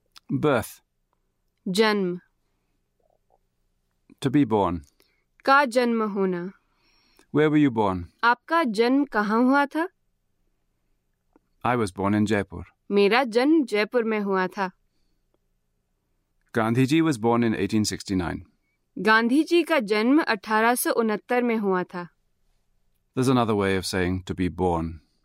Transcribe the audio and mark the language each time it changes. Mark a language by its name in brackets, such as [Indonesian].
[English] Birth. [Hindi] जन्म। [English] To be born. [Hindi] का जन्म होना। [English] Where were you born? [Hindi] आपका जन्म कहाँ हुआ था? [English] I was born in Jaipur. [Hindi] मेरा जन्म जयपुर में हुआ था। [English] Gandhi ji was born in 1869. [Hindi] Gandhi ji का जन्म 1869 में हुआ था। [English] There's another way of saying to be born.